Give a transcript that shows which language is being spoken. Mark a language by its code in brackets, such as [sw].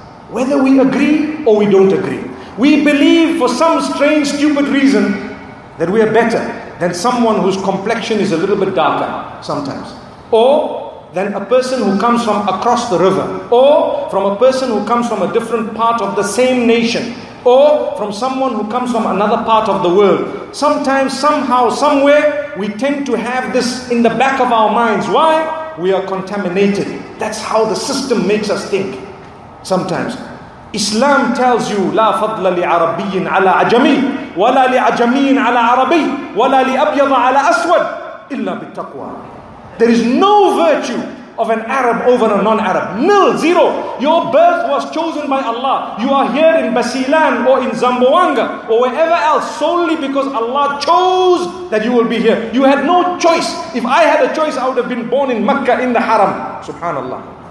[en] Whether we agree or we don't agree, we believe for some strange, stupid reason that we are better than someone whose complexion is a little bit darker sometimes, or than a person who comes from across the river, or from a person who comes from a different part of the same nation, or from someone who comes from another part of the world. Sometimes, somehow, somewhere, we tend to have this in the back of our minds. Why? We are contaminated. That's how the system makes us think sometimes. [ar] Islam tells you, لا فضل لعربي على عجمي ولا لعجمي على عربي ولا لأبيض على أسود إلا بالتقوى. [en] There is no virtue of an Arab over a non-Arab. Nil, zero. Your birth was chosen by Allah. You are here in Basilan or in Zamboanga or wherever else solely because Allah chose that you will be here. You had no choice. If I had a choice, I would have been born in Makkah in the Haram. Subhanallah.